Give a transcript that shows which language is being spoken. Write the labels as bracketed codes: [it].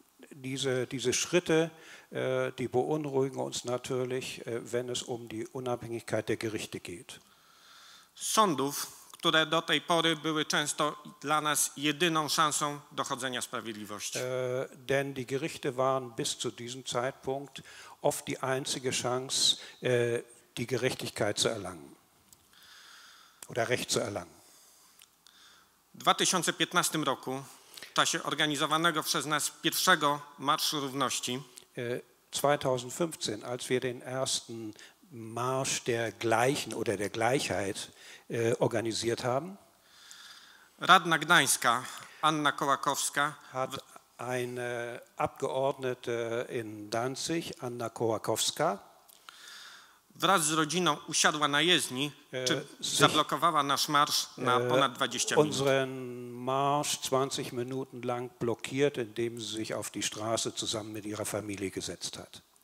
[de] Diese Schritte, die beunruhigen uns natürlich, wenn es um die Unabhängigkeit der Gerichte geht. [pl] Sądów, które do tej pory były często dla nas jedyną szansą dochodzenia sprawiedliwości. [de] Denn die Gerichte waren bis zu diesem Zeitpunkt oft die einzige Chance, die Gerechtigkeit zu erlangen. Oder Recht zu erlangen. [pl] 2015 roku, w czasie organizowanego przez nas pierwszego Marszu Równości, [de] 2015, als wir den ersten Marsch der Gleichen oder der Gleichheit organisiert haben, [pl] Radna Gdańska, Anna Kołakowska, [de] hat eine Abgeordnete in Danzig, Anna Kołakowska, [pl] wraz z rodziną usiadła na jezdni, czy zablokowała nasz marsz na ponad 20 minut. [de] Unseren Marsch 20 Minuten lang blockiert, indem sie sich auf die Straße zusammen mit ihrer Familie gesetzt hat.